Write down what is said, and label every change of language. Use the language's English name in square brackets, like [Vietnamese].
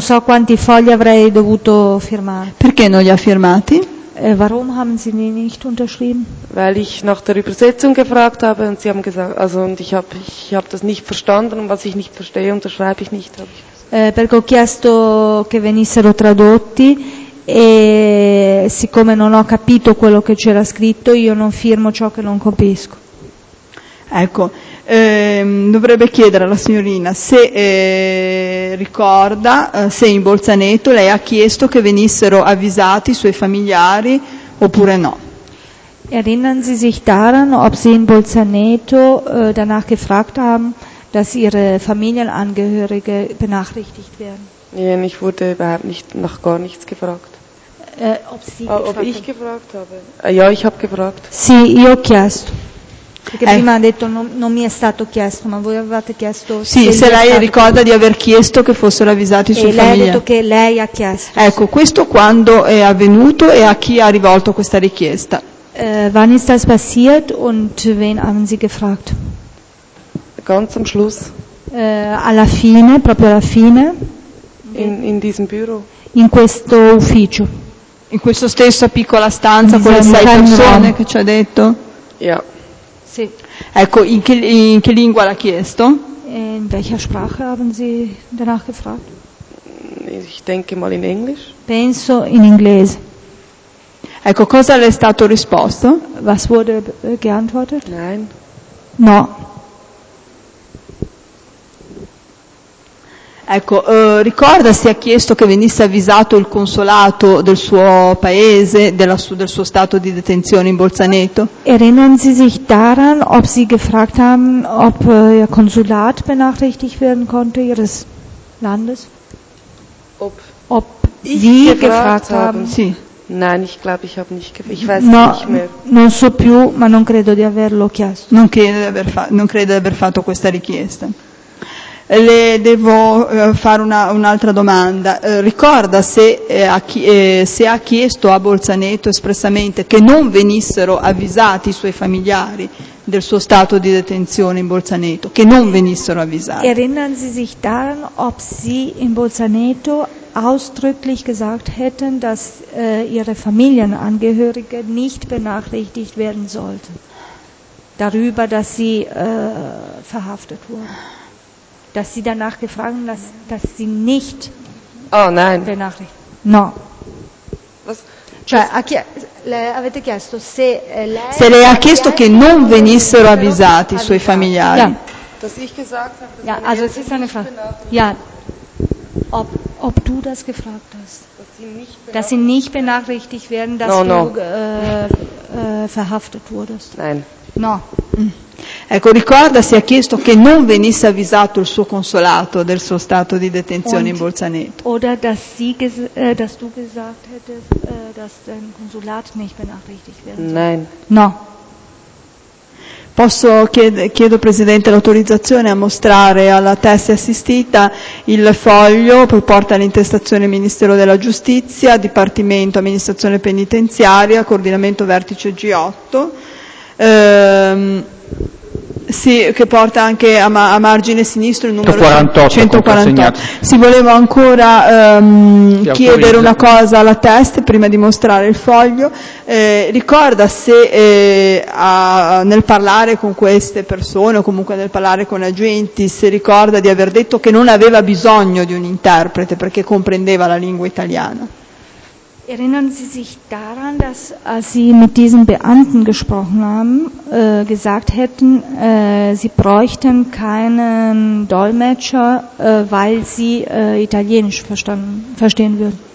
[Italian] so quanti fogli avrei dovuto firmare. Perché non li ha firmati? [German] Warum haben Sie ihn nicht unterschrieben? Weil ich nach der Übersetzung gefragt habe und Sie haben gesagt, also und ich habe das nicht verstanden und was ich nicht verstehe, unterschreibe ich nicht. [Italian] Perché ho chiesto che venissero tradotti e siccome non ho capito quello che c'era scritto, io non firmo ciò che non capisco. Ecco. Dovrebbe chiedere alla signorina se ricorda se in Bolzaneto lei ha chiesto che venissero avvisati i suoi familiari oppure no. [German] Erinnern Sie sich daran, ob Sie in Bolzaneto danach gefragt haben, dass Ihre Familienangehörige benachrichtigt werden? Nein, ich wurde überhaupt nicht, nach gar nichts gefragt. Ob Sie gefragt ob ich gefragt habe? Ja, ich habe gefragt. [Italian] Sì, io ho chiesto. Perché prima ha detto non mi è stato chiesto, ma voi avevate chiesto. Sì, se lei ricorda chiesto. Di aver chiesto che fossero avvisati i suoi familiari. E lei ha detto che lei ha chiesto. Ecco, sì. Questo quando è avvenuto e a chi ha rivolto questa richiesta? [German] Wann ist das passiert und wen haben Sie gefragt? Ganz am Schluss. [Italian] Alla fine, proprio alla fine. [German] In diesem Büro. [Italian] In questo ufficio. In questa stessa piccola stanza con le sei persone che ci ha detto? [German] Ja. Yeah. [Italian] Sì. Ecco, in che lingua l'ha chiesto? [German] In welcher Sprache haben Sie danach gefragt? Ich denke mal in Englisch. [Italian] Penso in inglese. Ecco, cosa le è stato risposto? [German] Was wurde geantwortet? Nein. [Italian] No. Ecco, ricorda se ha chiesto che venisse avvisato il consolato del suo paese, del suo stato di detenzione in Bolzaneto? [German] Erinnern Sie sich daran, ob Sie gefragt haben, ob Ihr Konsulat benachrichtigt werden konnte, Ihres Landes? Ob Sie gefragt haben? [Italian] Sì. [German] Nein, ich glaube, ich habe nicht gefragt. Ich weiß no, nicht mehr. [Italian] Non so più, ma non credo di averlo chiesto. Non credo di aver fatto questa richiesta. Le devo fare un'altra domanda. Ricorda se ha chiesto a Bolzaneto espressamente che non venissero avvisati i suoi familiari del suo stato di detenzione in Bolzaneto, che non venissero avvisati. [German] Erinnern Sie sich daran, ob Sie in Bolzaneto ausdrücklich gesagt hätten, dass Ihre Familienangehörige nicht benachrichtigt werden sollten darüber, dass Sie verhaftet wurden? Dass Sie danach gefragt haben, dass Sie nicht benachrichtigt. [Italian] No. [German] Was? [Italian] Cioè, avete chiesto se lei. Se lei ha chiesto che non venissero avvisati i suoi familiari. [German] Dass ich gesagt habe, dass ja, also es ist eine Frage. Ja. Ob, ob du das gefragt hast. Dass sie nicht benachrichtigt werden, dass du verhaftet wurdest. Nein. [Italian] No. Ecco, ricorda, si è chiesto che non venisse avvisato il suo consolato del suo stato di detenzione in Bolzaneto. [German] Oder dass sie dass du gesagt hättest, dass dein Konsulat nicht benachrichtigt werden soll. Nein. [Italian] No. Posso chiedo Presidente l'autorizzazione a mostrare alla testa assistita il foglio che porta l'intestazione Ministero della Giustizia, Dipartimento Amministrazione Penitenziaria, Coordinamento Vertice G8, sì, che porta anche a margine sinistro il numero 148. Sì, volevo ancora chiedere una cosa alla test prima di mostrare il foglio. Ricorda se nel parlare con queste persone o comunque nel parlare con agenti, se ricorda di aver detto che non aveva bisogno di un interprete perché comprendeva la lingua italiana. [German] Erinnern Sie sich daran, dass als Sie mit diesen Beamten gesprochen haben, gesagt hätten, Sie bräuchten keinen Dolmetscher, weil Sie Italienisch verstehen würden?